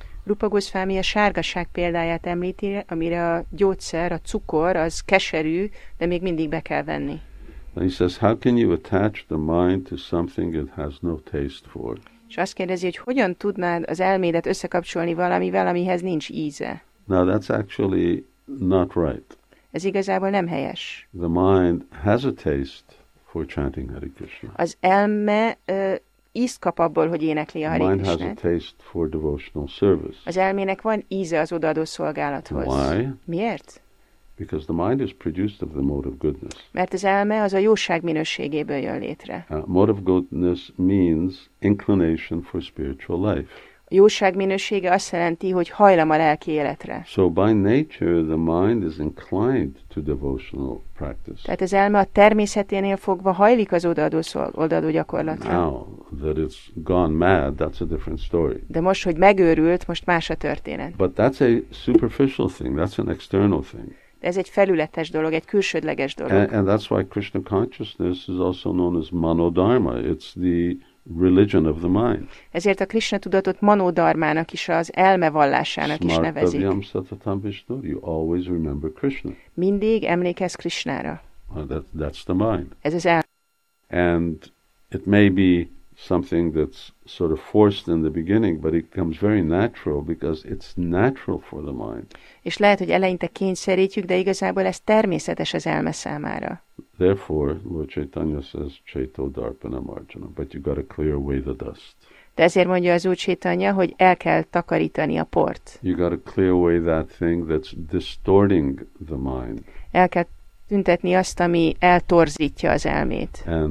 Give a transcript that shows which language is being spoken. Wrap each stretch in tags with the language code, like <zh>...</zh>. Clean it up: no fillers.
<hu>Rupa Goswami a sárgasság példáját említi, amire a gyógyszer, a cukor, az keserű, de még mindig be kell venni.</hu> <en>And he says, how can you attach the mind to something it has no taste for?</en> <hu>És azt kérdezi, hogy hogyan tudnád az elmédet összekapcsolni valamivel, amihez nincs íze?</hu> <en>Now that's actually not right.</en> <hu>Ez igazából nem helyes.</hu> <en>The mind has a taste for chanting Hare Krishna.</en> <hu>Az elme ízt kap abból, hogy énekli a Hare Krishnát.</hu> <en>The mind has a taste for devotional service.</en> <hu>Az elmének van íze az odaadó szolgálathoz.</hu> <en>Why?</en> <hu>Miért?</hu> <en>Because the mind is produced of the mode of goodness.</en> <hu>Mert az elme az a jóság minőségéből jön létre.</hu> <en>Mode of goodness means inclination for spiritual life.</en> <hu>jóság minősége azt jelenti, hogy hajlam a lelki életre.</hu> <en>So by nature the mind is inclined to devotional practice.</en> <hu>Tehát az elme a természeténél fogva hajlik az odaadó gyakorlatra.</hu> <en>Now that it's gone mad, that's a different story.</en> <hu>De most, hogy megőrült, most más a történet.</hu> <en>But that's a superficial thing, that's an external thing.</en> <hu>Ez egy felületes dolog, egy külsődleges dolog.</hu> <en>And that's why Krishna consciousness is also known as manodharma. It's the religion of the mind.</en> <hu>Ezért a Krishna tudatot manodharmának is, az elme vallásának is nevezik.</hu> <sa>Smartavyam satatam vishnur.</sa> <en>You always remember Krishna.</en> <hu>Mindig emlékezz Krishnára.</hu> <en>That's the mind.</en> <hu>Ez az elme.</hu> <en>And it may be something that's sort of forced in the beginning, but it comes very natural because it's natural for the mind.</en> <hu>És lehet, hogy eleinte kényszerítjük, de igazából ez természetes az elme számára.</hu> <en>Therefore, Lord Chaitanya says,</en> <sa>"Chaito darpanam arjanam,"</sa> <en>but you got to clear away the dust.</en> <hu>De ezért mondja az Úr Chaitanya, hogy el kell takarítani a port.</hu> <en>You got to clear away that thing that's distorting the mind.</en> <hu>El kell tüntetni azt, ami eltorzítja az elmét.</hu>